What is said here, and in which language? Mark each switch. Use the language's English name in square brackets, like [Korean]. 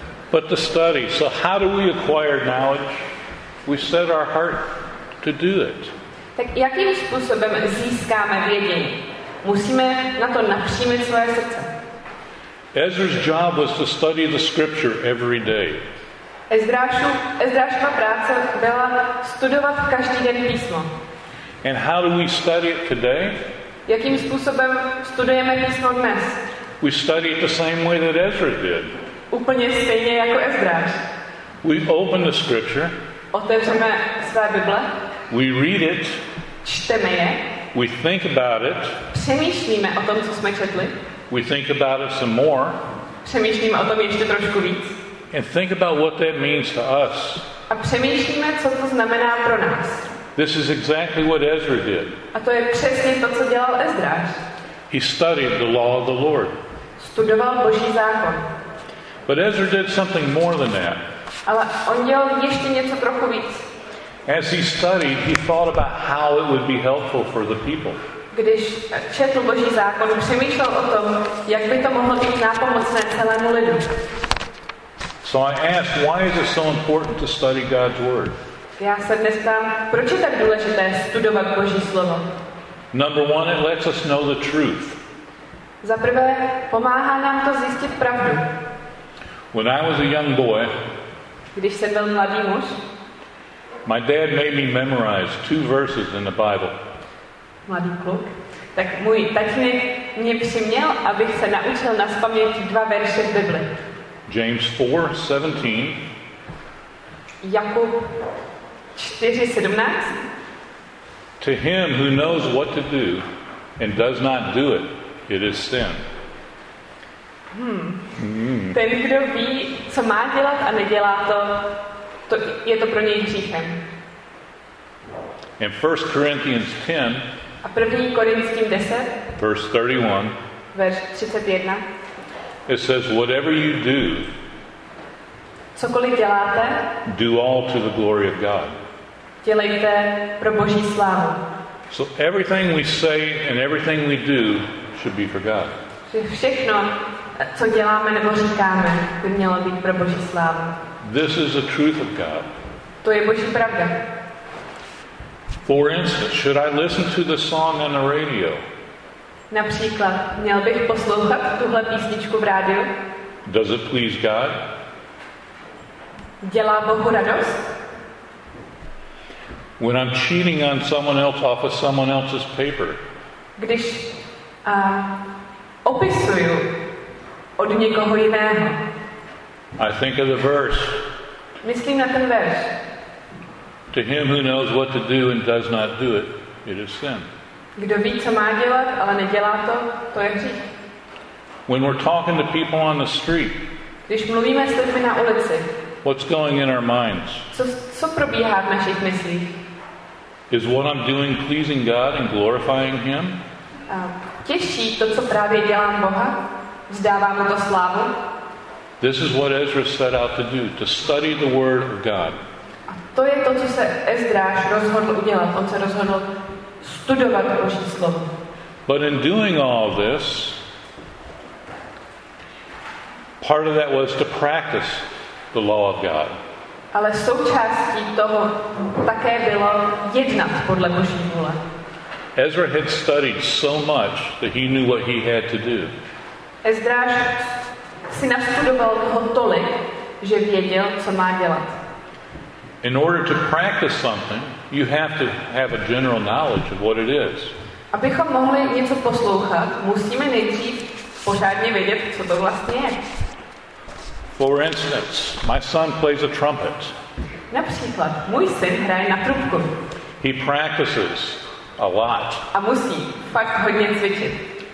[English] But the study, so how do we acquire knowledge? We set our heart to do it. [Czech] Tak jakým způsobem získáme vědění? Musíme na to napřímit svoje srdce. [English] Ezra's job was to study the scripture every day. [Czech] Ezrášova práce byla studovat každý den písmo. [English] And how do we study it today? [Czech] Jakým způsobem studujeme písmo dnes? [English] We study it the same way that Ezra did. [Czech] Úplně stejně jako Ezdráš. [English] We open the scripture. [Czech] Otevřeme své Bible. [English] We read it. [Czech] Čteme je. [English] We think about it. [Czech] Přemýšlíme o tom, co jsme četli. [English] We think about it some more. [Czech] Přemýšlíme o tom ještě trošku víc. [English] And think about what that means to us. [Czech] A přemýšlíme, co to znamená pro nás. [English] This is exactly what Ezra did. [Czech] A to je přesně to, co dělal Ezdráš. [English] He studied the law of the Lord. [Czech] Studoval Boží zákon. [English] But Ezra did something more than that. [Czech] Ale on dělal ještě něco trochu víc. [English] As he studied, he thought about how it would be helpful for the people. [Czech] Když četl Boží zákon, přemýšlel o tom, jak by to mohlo být nápomocné celému lidu. [English] So I asked, why is it so important to study God's word? [Czech] Já se dnes ptám, proč je tak důležité studovat Boží slovo? [English] Number one, it lets us know the truth. [Czech] Za prvé, pomáhá nám to zjistit pravdu. [English] When I was a young boy, [Czech] když jsem byl mladý muž, [English] my dad made me memorize two verses in the Bible. [Czech] Mladý kluk. Tak můj tatínek mě přiměl, abych se naučil nazpaměť dva verše v Bibli. [English] James 4:17. [Czech] Jakub 4:17. [English] To him who knows what to do and does not do it, it is sin. [Czech] Ten, kdo ví, co má dělat a nedělá to, to je to pro něj hříchem. [English] In 1 Corinthians 10. [Czech] A 1. Korinským 10. [English] Verse 31. [Czech] Verš 31. [English] It says, whatever you do, [Czech] cokoliv děláte, [English] do all to the glory of God. [Czech] Dělejte pro Boží slávu. [English] So everything we say and everything we do should be for God. [Czech] Všechno, co děláme nebo říkáme, by mělo být pro Boží slávu. [English] This is the truth of God. [Czech] To je Boží pravda. [English] For instance, should I listen to the song on the radio? [Czech] Například, měl bych poslouchat tuhle písničku v rádiu? [English] Does it please God? [Czech] Dělá Bohu radost? [English] When I'm cheating on someone else off of someone else's paper. [Czech] Když opisuju od někoho jiného. [English] I think of the verse. [Czech] Myslím na ten verš. [English] To him who knows what to do and does not do it, it is sin. [Czech] Kdo ví, co má dělat, ale nedělá to, to je hřích. [English] When we're talking to people on the street. [Czech] Když mluvíme s lidmi na ulici. [English] What's going in our minds? [Czech] Co probíhá v našich myslích? [English] Is what I'm doing pleasing God and glorifying him? [Czech] Těší to, co právě dělám Boha? Vzdává mu to slávu? [English] This is what Ezra set out to do, to study the word of God. [Czech] A to je to, co se Ezdráš rozhodl udělat. On se rozhodl studovat Boží slovo. [English] But in doing all this, part of that was to practice the law of God. [Czech] Ale součástí toho také bylo jednat podle Boží vůle. [English] Ezra had studied so much that he knew what he had to do. [Czech] Ezdráš si nastudoval toho tolik, že věděl, co má dělat. [English] In order to practice something, you have to have a general knowledge of what it is. [Czech] Abychom mohli něco poslouchat, musíme nejdřív pořádně vědět, co to vlastně je. [English] For instance, my son plays a trumpet. [Czech] Například, můj syn hraje na trubku. [English] He practices a lot. [Czech] A musí fakt hodně cvičit.